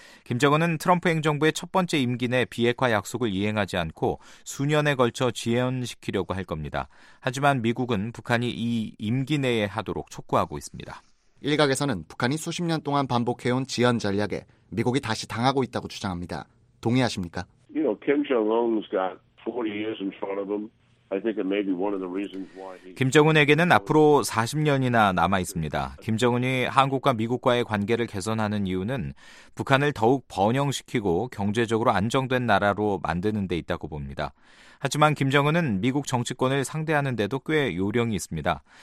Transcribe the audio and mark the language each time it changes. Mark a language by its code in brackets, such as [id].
[ko] 김정은은 트럼프 행정부의 첫 번째 임기 내 비핵화 약속을 이행하지 않고 수년에 걸쳐 지연시키려고 할 겁니다. 하지만 미국은 북한이 이 임기 내에 하도록 촉구하고 있습니다. 일각에서는 북한이 수십 년 동안 반복해온 지연 전략에 미국이 다시 당하고 있다고 주장합니다. 동의하십니까? [en] You know, Kim Jong-un's got 40 years in front of him. I think it may be one of the reasons why. [ko] 김정은에게는 앞으로 40년이나 남아 있습니다. 김정은이 한국과 미국과의 관계를 개선하는 이유는 북한을 더욱 번영시키고 경제적으로 안정된 나라로 만드는 데 있다고 봅니다. 하지만 김정은은 미국 정치권을 상대하는데도 꽤 요령이 있습니다.